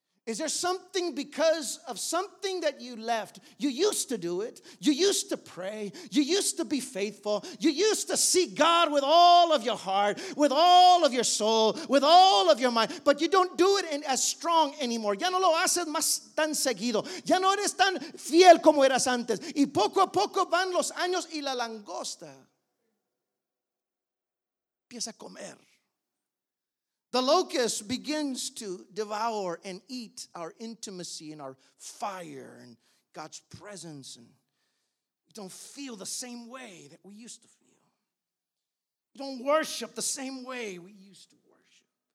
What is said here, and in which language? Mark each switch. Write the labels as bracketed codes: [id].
[en] Is there something because of something that you left? You used to do it. You used to pray. You used to be faithful. You used to seek God with all of your heart, with all of your soul, with all of your mind. But you don't do it as strong anymore. [es] Ya no lo haces más tan seguido. Ya no eres tan fiel como eras antes. Y poco a poco van los años y la langosta empieza a comer. [en] The locust begins to devour and eat our intimacy and our fire and God's presence, and we don't feel the same way that we used to feel. We don't worship the same way we used to worship.